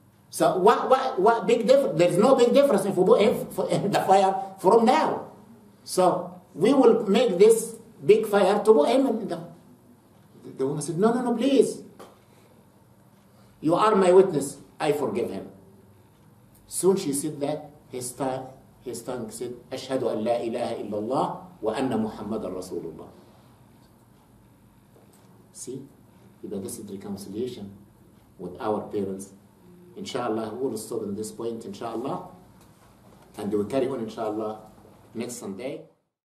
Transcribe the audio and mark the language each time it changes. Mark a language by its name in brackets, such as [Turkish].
[English] So what big difference? There's no big difference if we put him in the fire from now. So we will make this big fire to put him in the... The woman said, no, please. You are my witness. I forgive him. Soon she said that, his tongue said, [Arabic] أشهد أن لا إله إلا الله وأن محمد رسول الله. [English] See, this is reconciliation with our parents. Inshallah, we'll stop at this point, inshallah. And we'll carry on, inshallah, next Sunday.